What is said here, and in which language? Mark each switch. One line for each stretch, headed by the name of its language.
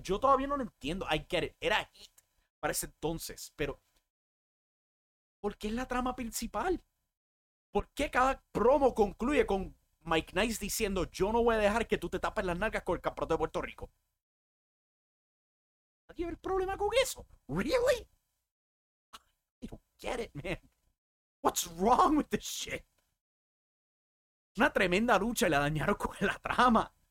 Spanish: Yo todavía no lo entiendo.
English: I get it.
Spanish: Era hit para ese entonces, pero ¿por qué es la trama principal? ¿Por qué cada promo concluye con Mike Nice diciendo, yo no voy a dejar que tú te tapes las nalgas con el campeonato de Puerto Rico? ¿Nadie ve el problema con eso?
English: ¿Really? I don't get it, man. What's wrong with this shit?
Spanish: Una tremenda lucha y la dañaron con la trama.